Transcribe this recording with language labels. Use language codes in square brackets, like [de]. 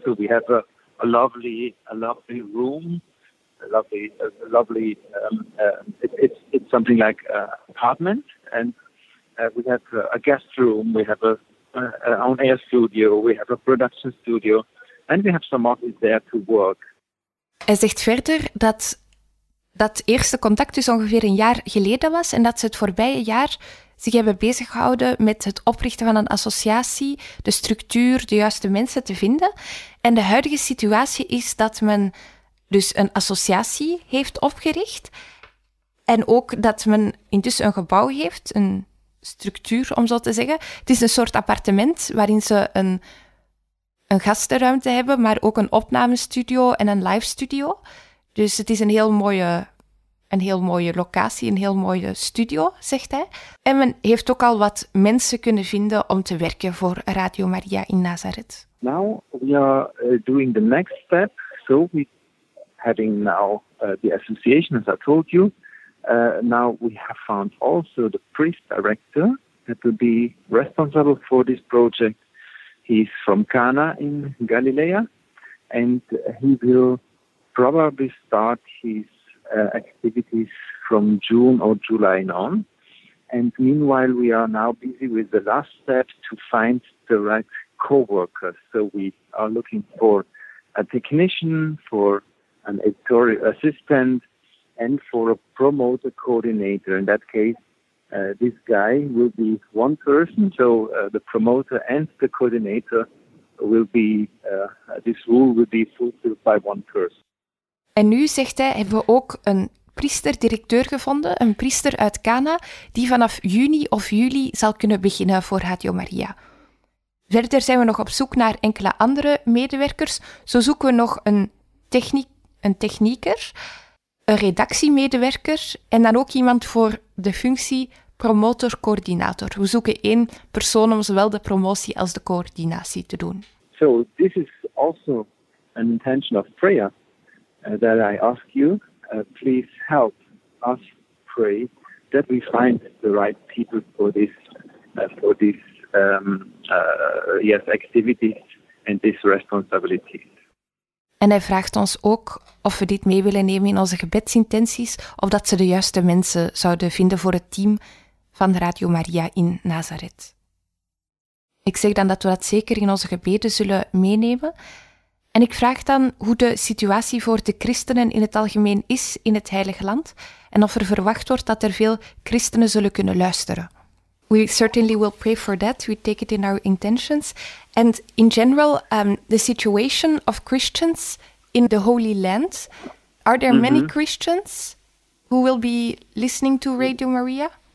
[en] So we have a lovely room. It's something like an apartment, and we have a guest room, we have an on-air studio, we have a production studio, and we have some office there to work. [nl] Hij zegt verder dat dat eerste contact dus ongeveer een jaar geleden was en dat ze het voorbije jaar zich hebben beziggehouden met het oprichten van een associatie, de structuur, de juiste mensen te vinden. En de huidige situatie is dat men dus een associatie heeft opgericht en ook dat men intussen een gebouw heeft, een structuur om zo te zeggen. Het is een soort appartement waarin ze een gastenruimte hebben, maar ook een opnamestudio en een live studio. Dus het is een heel mooie locatie, een heel mooie studio, zegt hij. En men heeft ook al wat mensen kunnen vinden om te werken voor Radio Maria in Nazareth. [en] Now we are doing the next step, so we having now the association, as I told you. Now we have found also the priest director that will be responsible for this project. He's from Cana in Galilee, and he will probably start his activities from June or July on. And meanwhile, we are now busy with the last step to find the right co-workers. So we are looking for a technician, for an editorial assistant, and for a promoter coordinator. In that case, this guy will be one person. So the promoter and the coordinator will be, this rule will be fulfilled by one person. [nl] En nu, zegt hij, hebben we ook een priester-directeur gevonden, een priester uit Cana, die vanaf juni of juli zal kunnen beginnen voor Radio Maria. Verder zijn we nog op zoek naar enkele andere medewerkers. Zo zoeken we nog een technieker, een redactiemedewerker en dan ook iemand voor de functie promotor-coördinator. We zoeken één persoon om zowel de promotie als de coördinatie te doen. [en] So, this is also an intention of prayer that I ask you. Please help us pray that we find the right people for this activities and this responsibility. [nl] En hij vraagt ons ook of we dit mee willen nemen in onze gebedsintenties, of dat ze de juiste mensen zouden vinden voor het team van Radio Maria in Nazareth. Ik zeg dan dat we dat zeker in onze gebeden zullen meenemen. En ik vraag dan hoe de situatie voor de christenen in het algemeen is in het Heilige Land en of er verwacht wordt dat er veel christenen zullen kunnen luisteren. [en] We certainly will pray for that. We take it in our intentions. And in general, the situation of Christians in the Holy Land, are there many Christians who will be listening to Radio Maria?